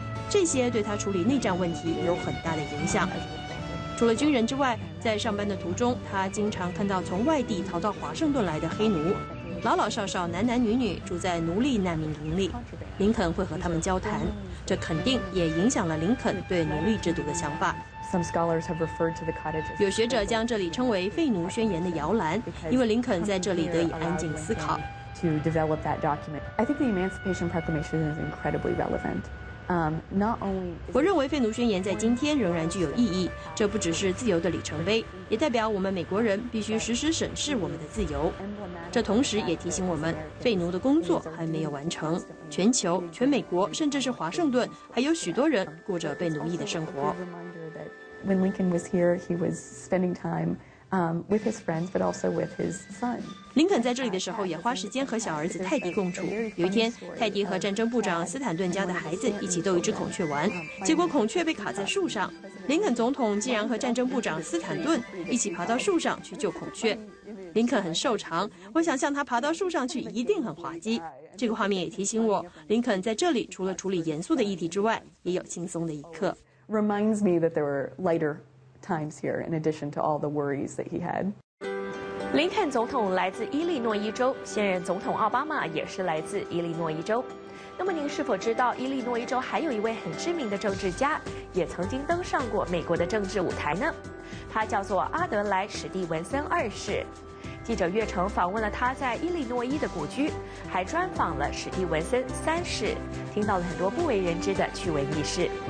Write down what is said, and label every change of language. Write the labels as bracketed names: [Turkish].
[Chinese] 这些对他处理内战问题有很大的影响。除了军人之外，在上班的途中，他经常看到从外地逃到华盛顿来的黑奴，老老少少、男男女女住在奴隶难民营里。林肯会和他们交谈，这肯定也影响了林肯对奴隶制度的想法。有学者将这里称为废奴宣言的摇篮，因为林肯在这里得以安静思考。 [English] To develop that document, I think the Emancipation Proclamation is incredibly relevant. Not only. [Chinese] 我认为废奴宣言在今天仍然具有意义，这不只是自由的里程碑，也代表我们美国人必须时时审视我们的自由。这同时也提醒我们，废奴的工作还没有完成。全球、全美国，甚至是华盛顿，还有许多人过着被奴役的生活。 [English] When Lincoln was here, he was spending time with his friends, but also with his son. [Chinese] 林肯在这里的时候也花时间和小儿子泰迪共处。有一天，泰迪和战争部长斯坦顿家的孩子一起逗一只孔雀玩，结果孔雀被卡在树上。林肯总统竟然和战争部长斯坦顿一起爬到树上去救孔雀。林肯很瘦长，我想像他爬到树上去一定很滑稽。这个画面也提醒我，林肯在这里除了处理严肃的议题之外，也有轻松的一刻。 [English] Reminds me that there were lighter times here in addition to all the worries that he had. [Chinese] 林肯总统来自伊利诺伊州，现任总统奥巴马也是来自伊利诺伊州。那么您是否知道伊利诺伊州还有一位很知名的政治家，也曾经登上过美国的政治舞台呢？他叫做阿德莱·史蒂文森二世。记者月城访问了他在伊利诺伊的故居，还专访了史蒂文森三世，听到了很多不为人知的趣闻轶事。